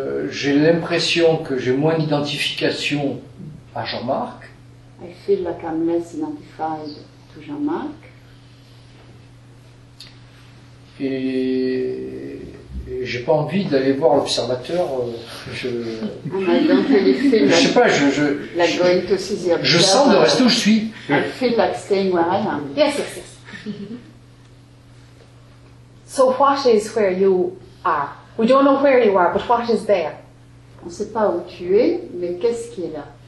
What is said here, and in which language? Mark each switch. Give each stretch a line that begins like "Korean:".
French: J'ai l'impression que j'ai moins d'identification à Jean-Marc.
English: I feel like I'm less identified to Jean-Marc.
French: Et j'ai pas envie d'aller voir l'observateur. Je sens de rester où je suis.
English: I feel like staying where I am. Yes, yes, yes. So what is where you are? We don't know where you are, but what is there?
French: On ne sait pas où tu es, mais qu'est-ce qui est là?